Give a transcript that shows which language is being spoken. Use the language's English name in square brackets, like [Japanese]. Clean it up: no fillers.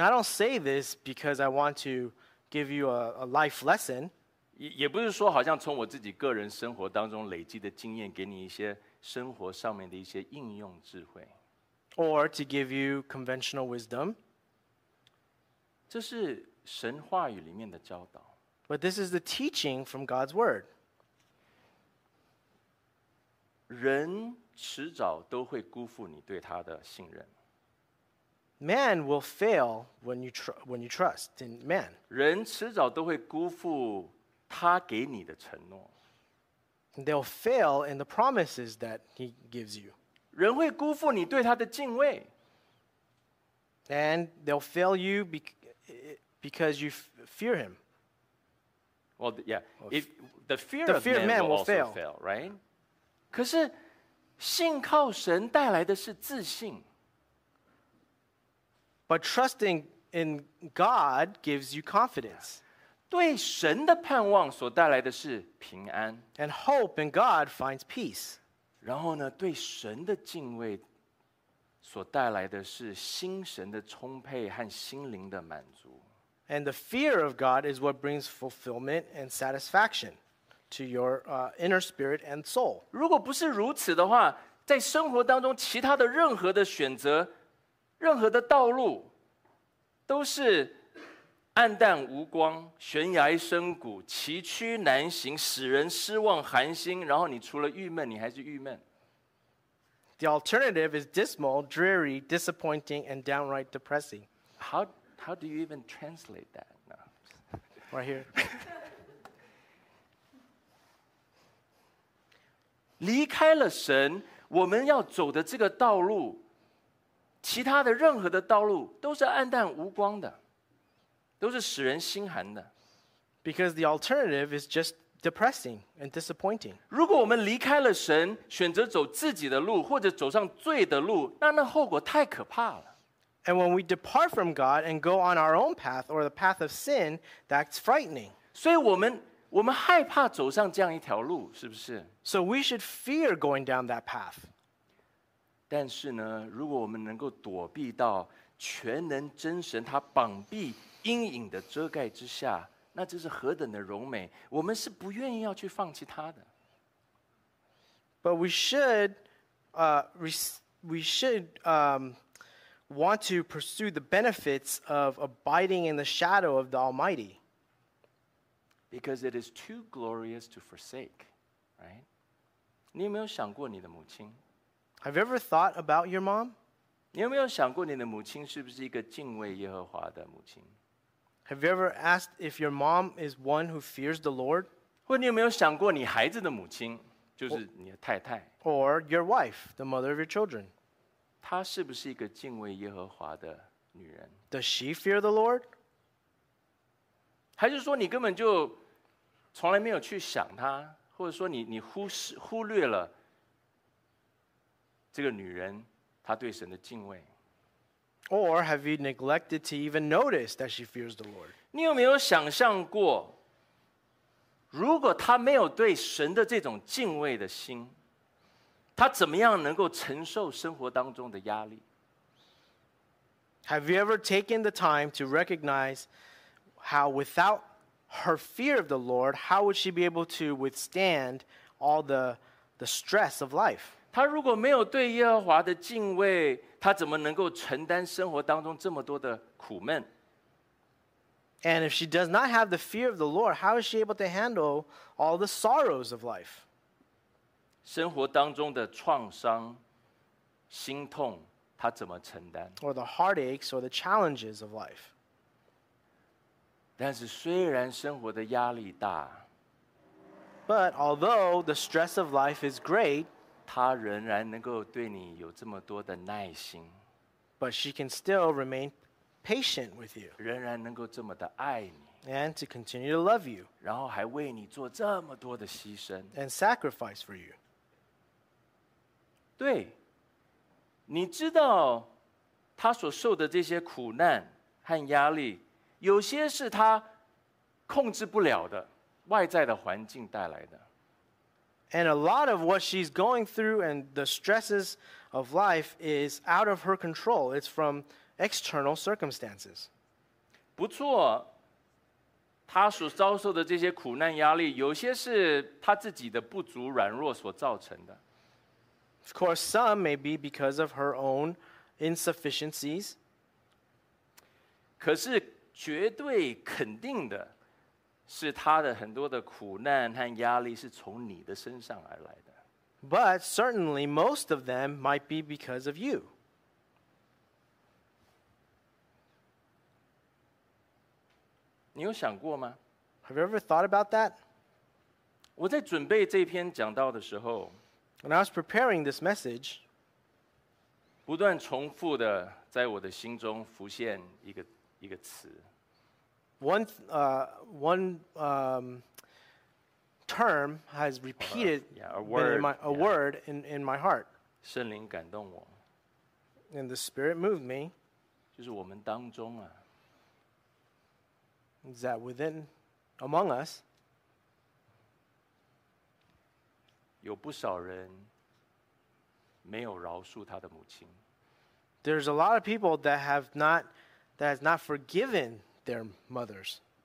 [English] I don't say this because I want to give you a life lesson. [Chinese] 也不是说好像从我自己个人生活当中累积的经验给你一些生活上面的一些应用智慧。 [English] Or to give you conventional wisdom. [Chinese] 这是神话语里面的教导。 [English] But this is the teaching from God's word. [Chinese] 人迟早都会辜负你对他的信任。 [English] Man will fail when you trust in man. [Chinese] 人迟早都会辜负他给你的承诺。 [English] They'll fail in the promises that he gives you. [Chinese] 人会辜负你对他的敬畏。 [English] And they'll fail you because you fear him. Well, yeah. If the fear of man will also fail, right? [Chinese] 可是信靠神带来的是自信。 [English] But trusting in God gives you confidence. [Chinese] 对神的盼望所带来的是平安。 [English] And hope in God finds peace. [Chinese] 然后呢，对神的敬畏所带来的是心神的充沛和心灵的满足。 [English] And the fear of God is what brings fulfillment and satisfaction to your inner spirit and soul. [Chinese] 如果不是如此的话，在生活当中其他的任何的选择，任何的道路都是暗淡无光，悬崖深谷，崎岖难行，使人失望寒心，然后你除了郁闷你还是郁闷。 [English] The alternative is dismal, dreary, disappointing, and downright depressing. How do you even translate that? No. Right here. [Chinese] 离开了神，我们要走的这个道路，其他的任何的道路都是暗淡无光的，都是使人心寒的。 [English] Because the alternative is just depressing and disappointing. [Chinese] 如果我们离开了神，选择走自己的路，或者走上罪的路，那后果太可怕了。 [English] And when we depart from God and go on our own path or the path of sin, that's frightening. [Chinese] 所以我们害怕走上这样一条路，是不是？ [English] So we should fear going down that path. [Chinese] 但是呢，如果我们能够躲避到全能真神他膀臂阴影的遮盖之下，那这是何等的荣美，我们是不愿意要去放弃他的。 [English] But we should, want to pursue the benefits of abiding in the shadow of the Almighty. Because it is too glorious to forsake, right? [Chinese] 你有没有想过你的母亲？ [English] Have you ever thought about your mom? [Chinese] 你有没有想过你的母亲是不是一个敬畏耶和华的母亲？ [English] Have you ever asked if your mom is one who fears the Lord? [Chinese] 或你有没有想过你孩子的母亲，就是你的太太 [English] ，or your wife, the mother of your children? [Chinese] 她是不是一个敬畏耶和华的女人 [English] ？Does she fear the Lord? [Chinese] 还是说你根本就从来没有去想她，或者说你忽略了这个女人她对神的敬畏？ [English] Or have you neglected to even notice that she fears the Lord? [Chinese] 你有没有想象过，如果她没有对神的这种敬畏的心，她怎么样能够承受生活当中的压力？ [English] Have you ever taken the time to recognize how without her fear of the Lord, how would she be able to withstand all the stress of life? [Chinese] 她如果没有对耶和华的敬畏，他怎么能够承担生活当中这么多的苦闷？ [English] And if she does not have the fear of the Lord, how is she able to handle all the sorrows of life? [Chinese] 生活当中的创伤、心痛，他怎么承担？ [English] Or the heartaches or the challenges of life. [Chinese] 但是虽然生活的压力大， [English] But although the stress of life is great, [Chinese] 他仍然能够对你有这么多的耐心， [English] But she can still remain patient with you. [Chinese] 仍然能够这么的爱你， [English] And to continue to love you. [Chinese] 然后还为你做这么多的牺牲， [English] And sacrifice for you. [Chinese] 对，你知道他所受的这些苦难和压力，有些是他控制不了的，外在的环境带来的。 [English] And a lot of what she's going through and the stresses of life is out of her control. It's from external circumstances. [Chinese] 不错，她所遭受的这些苦难压力，有些是她自己的不足软弱所造成的。 [English] Of course, some may be because of her own insufficiencies. [Chinese] 可是绝对肯定的是他的很多的苦难和压力是从你的身上而来的。 [English] But certainly most of them might be because of you. [Chinese] 你有想过吗？ [English] Have you ever thought about that? [Chinese] 我在准备这篇讲道的时候， [English] When I was preparing this message， [Chinese] 不断重复的在我的心中浮现一个词。 [English] One term has repeated a word in my heart. [Chinese] 圣灵感动我。 [English] And the Spirit moved me. [Chinese] 就是我们当中啊。 [English] Is that within, among us? [Chinese] 有不少人没有饶恕他的母亲。 [English] There's a lot of people that has not forgiven their mothers.